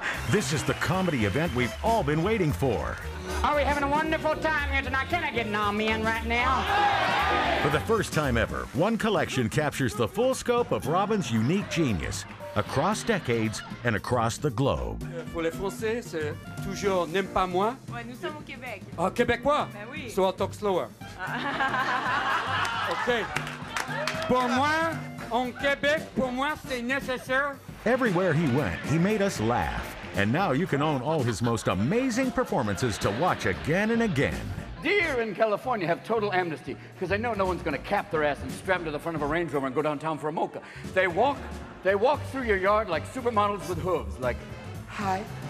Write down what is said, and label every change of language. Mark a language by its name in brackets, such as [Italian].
[English] This is the comedy event we've all been waiting for. Are we having a wonderful time here tonight? Can I get an amen right now? For the first time ever, one collection captures the full scope of Robin's unique genius across decades and across the globe. [French] For les Français, c'est toujours n'aime pas moi. Ouais, nous sommes au Québec. Ah, Québécois? Ben oui. [English] So I'll talk slower. Okay. [French] Pour moi, en Québec, pour moi, c'est nécessaire. [English] Everywhere he went, he made us laugh. And now you can own all his most amazing performances to watch again and again. Deer in California have total amnesty, because they know no one's going to cap their ass and strap them to the front of a Range Rover and go downtown for a mocha. They walk through your yard like supermodels with hooves, like, hi.